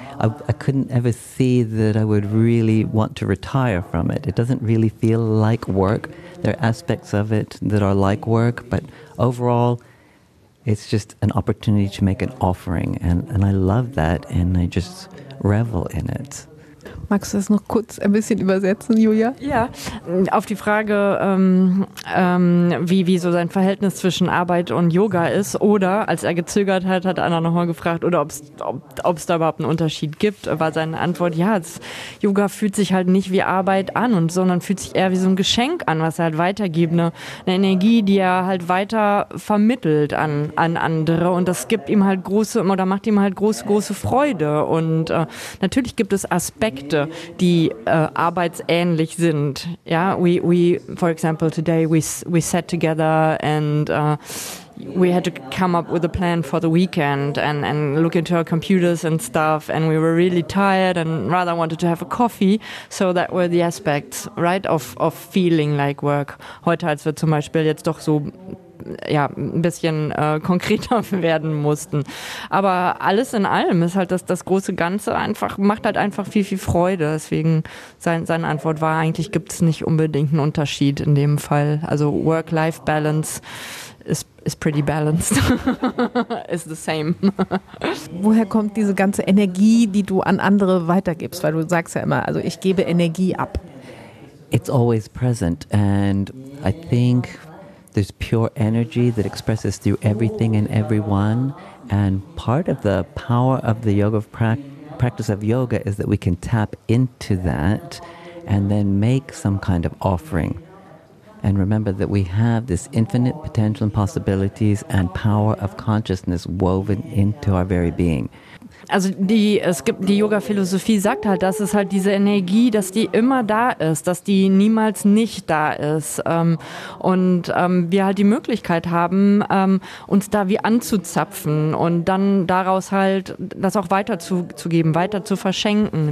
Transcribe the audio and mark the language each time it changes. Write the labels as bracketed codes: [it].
[en] I couldn't ever see that I would really want to retire from it. It doesn't really feel like work. There are aspects of it that are like work, but overall, it's just an opportunity to make an offering. And I love that, and I just revel in it. [de] Magst du das noch kurz ein bisschen übersetzen, Julia? Ja, auf die Frage, wie so sein Verhältnis zwischen Arbeit und Yoga ist. Oder, als er gezögert hat, hat Anna nochmal gefragt, oder ob's da überhaupt einen Unterschied gibt, war seine Antwort, ja, Yoga fühlt sich halt nicht wie Arbeit an, und sondern fühlt sich eher wie so ein Geschenk an, was er halt weitergibt, eine Energie, die er halt weiter vermittelt an andere. Und das gibt ihm halt große, oder macht ihm halt große, große Freude. Und natürlich gibt es Aspekte, die arbeitsähnlich sind. [en] Ja, we for example today we sat together and we had to come up with a plan for the weekend and look into our computers and stuff, and we were really tired and rather wanted to have a coffee. So that were the aspects, right, of feeling like work. [de] Heute, als wir zum Beispiel jetzt doch so ja ein bisschen konkreter werden mussten. Aber alles in allem ist halt das große Ganze einfach, macht halt einfach viel, viel Freude. Deswegen seine Antwort war, eigentlich gibt es nicht unbedingt einen Unterschied in dem Fall. [en] Also Work-Life-Balance is pretty balanced. Is the same. [de] Woher kommt diese ganze Energie, die du an andere weitergibst? Weil du sagst ja immer, also ich gebe Energie ab. [en] It's always present, and I think there's pure energy that expresses through everything and everyone. And part of the power of the yoga practice of yoga is that we can tap into that and then make some kind of offering. And remember that we have this infinite potential and possibilities and power of consciousness woven into our very being. [de] Also die Yoga-Philosophie sagt halt, dass es halt diese Energie, dass die immer da ist, dass die niemals nicht da ist. Und wir halt die Möglichkeit haben, uns da wie anzuzapfen und dann daraus halt das auch weiterzugeben, weiter zu verschenken.